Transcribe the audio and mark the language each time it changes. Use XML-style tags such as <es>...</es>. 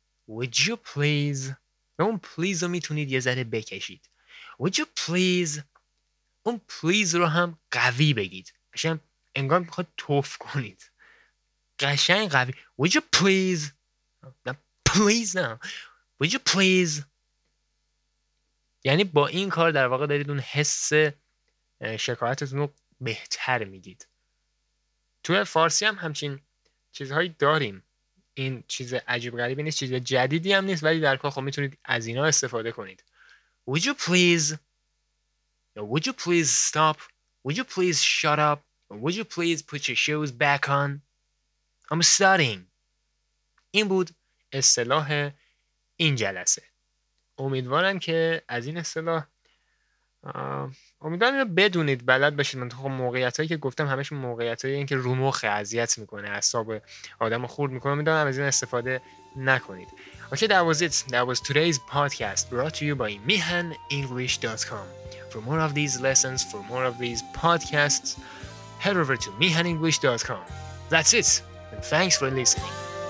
<en>would you please،</en> <fa>اون please رو میتونید یه ذره بکشید، would you please، اون please رو هم قوی بگید، عشان انگار میخواد توف کنید، قشنگ قوی would you please، نه would you please، یعنی با این کار در واقع دارید اون حس شکایتتون رو بهتر میدید. توی فارسی هم همچین چیزهایی داریم. این چیز عجیب غریبی نیست. چیز جدیدی هم نیست. ولی در کار خب میتونید از اینا استفاده کنید.</fa> <en>Would you please? Would you please stop? Would you please shut up? Would you please put your shoes back on? I'm studying.</en> <fa>این بود اصطلاح این جلسه. امیدوارم که از این اصطلاح امیدوارم اینو بدونید، بلد باشید. من خب موقعیتایی که گفتم همش موقعیتایی این که رو مخ اذیت میکنه، اعصاب آدمو خرد میکنه، امیدوارم از این استفاده نکنید.</fa> <en>Okay, that was today's podcast brought to you by mihanenglish.com. for more of these lessons, for more of these podcasts, head over to mihanenglish.com. that's it and thanks for listening.</en>